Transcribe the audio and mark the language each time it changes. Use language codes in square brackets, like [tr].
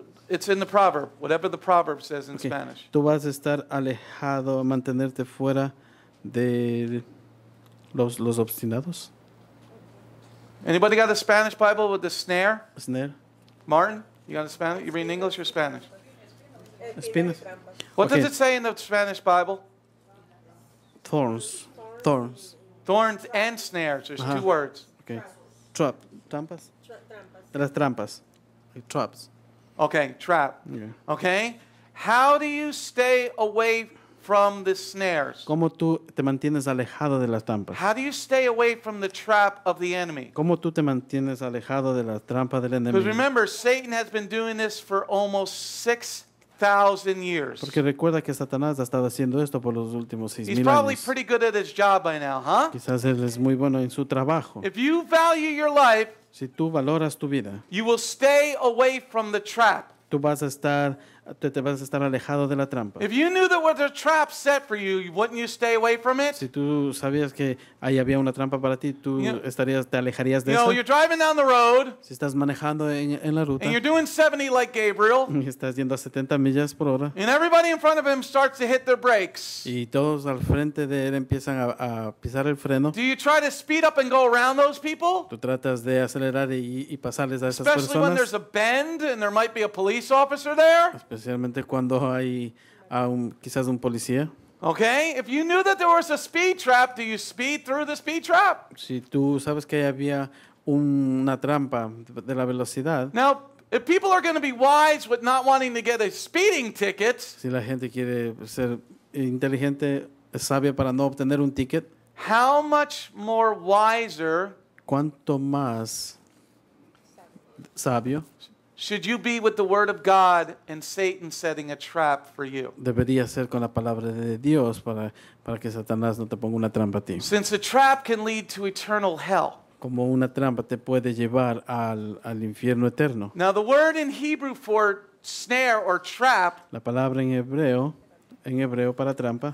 [en] It's in the proverb, whatever the proverb says in okay. Spanish. [es] Tú vas a estar alejado, mantenerte fuera de los obstinados. [en] Anybody got a Spanish Bible with the snare? Snare. Martin, you got a Spanish? You read English or Spanish? [es] Spinas. [en] What okay. does it say in the Spanish Bible? Thorns. Thorns. Thorns and snares. There's uh-huh. two words. Okay. Trap. [es] Trampas. Las trampas, [en] traps. Okay, trap. Yeah. Okay, how do you stay away from the snares? [es] ¿Cómo tú te mantienes alejado de las trampas? [en] How do you stay away from the trap of the enemy? [es] ¿Cómo tú te mantienes alejado de la trampa del enemigo? [en] Because remember, Satan has been doing this for almost 6,000 years. [es] Porque recuerda que Satanás ha estado haciendo esto por los últimos 6,000 años. [en] He's probably pretty good at his job by now, huh? [es] Quizás él es muy bueno en su trabajo. [en] If you value your life, [es] si tú valoras tu vida, [en] you will stay away from the trap. [es] Tú vas a estar, te vas a estar alejado de la trampa. [en] If you knew there was a trap set for you, wouldn't you stay away from it? [es] Si tú sabías que ahí había una trampa para ti, tú estarías, te alejarías de esa. [en] You know, you're driving down the road. [es] Si estás manejando en la ruta. [en] And you're doing 70 like Gabriel. [es] Y estás yendo a 70 millas por hora. [en] And everybody in front of him starts to hit their brakes. [es] Y todos al frente de él empiezan a pisar el freno. [en] Do you try to speed up and go around those people? [es] Tú tratas de acelerar y pasarles a esas [en] Especially Especially when there's a bend and there might be a police officer there. [es] Especialmente cuando hay quizás un policía. [en] Okay, if you knew that there was a speed trap, do you speed through the speed trap? [es] Si tú sabes que había una trampa de la velocidad. [en] Now, if people are going to be wise with not wanting to get a speeding ticket. [es] Si la gente quiere ser inteligente, sabia para no obtener un ticket. [en] How much more wiser? [es] ¿Cuánto más sabio? [en] Should you be with the word of God and Satan setting a trap for you? [es] Debería ser con la palabra de Dios para que Satanás no te ponga una trampa a ti. [en] Since a trap can lead to eternal hell. [es] Como una trampa te puede llevar al infierno eterno. [en] Now the word in Hebrew for snare or trap. [es] La palabra en hebreo para trampa